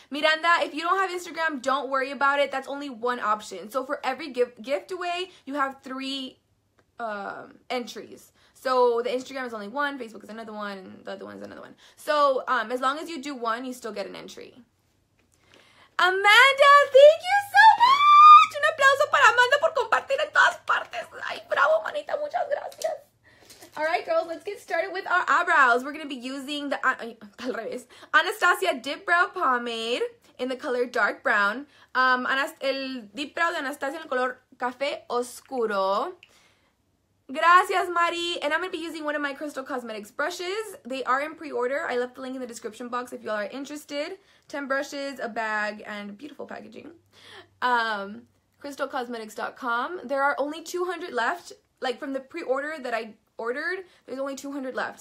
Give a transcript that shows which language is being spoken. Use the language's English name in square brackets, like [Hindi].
[English] Miranda, if you don't have Instagram, don't worry about it. That's only one option. So for every gift away, you have 3 entries. So the Instagram is only one, Facebook is another one, and the other one is another one. So as long as you do one, you still get an entry. Amanda, thank you so much! [Spanish] Un aplauso para Amanda por compartir en todas partes. Ay, bravo, manita, muchas gracias. [English] All right, girls, let's get started with our eyebrows. We're going to be using the Anastasia Dip Brow Pomade in the color dark brown. [Spanish] El deep brow de Anastasia en el color café oscuro. Gracias, Mari. [English] And I'm going to be using one of my Crystal Cosmetics brushes. They are in pre-order. I left the link in the description box if you all are interested. 10 brushes, a bag, and beautiful packaging. Crystalcosmetics.com. There are only 200 left. Like, from the pre-order that I ordered, there's only 200 left.